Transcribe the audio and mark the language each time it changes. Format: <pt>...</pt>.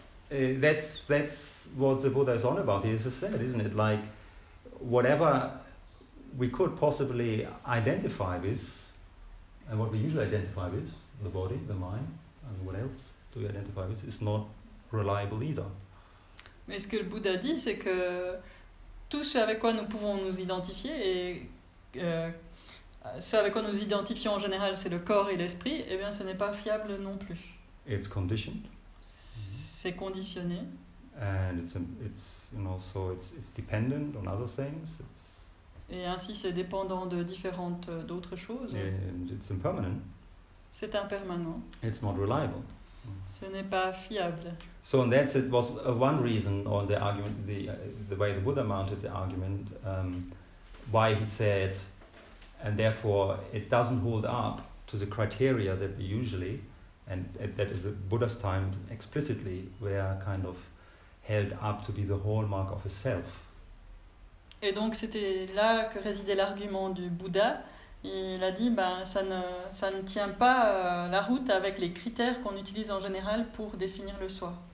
<en>That's what the Buddha is on about. He has said, isn't it? Like, whatever we could possibly identify with, and what we usually identify with, the body, the mind, and what else do we identify with, is not reliable either.</en> <fr>Mais ce que le Bouddha dit, c'est que tout ce avec quoi nous pouvons nous identifier et ce avec quoi nous identifions en général, c'est le corps et l'esprit, eh bien, ce n'est pas fiable non plus.</fr> <en>It's conditioned.</en> <fr>C'est conditionné.</fr> <en>And it's you know, so it's dependent on other things. It's</en> <fr>et ainsi, c'est dépendant de différentes d'autres choses.</fr> <en>And it's impermanent.</en> <fr>C'est impermanent.</fr> <en>It's not reliable.</en> <fr>Ce n'est pas fiable.</fr> <en>So in that sense, it was one reason on the argument, the way the Buddha mounted the argument, why he said, and therefore it doesn't hold up to the criteria that we usually, and that is the Buddha's time explicitly, were kind of held up to be the hallmark of a self.</en> <fr>Et donc c'était là que résidait l'argument du Bouddha. Il a dit, ben, ça ne tient pas la route avec les critères qu'on utilise en général pour définir le soi.</fr>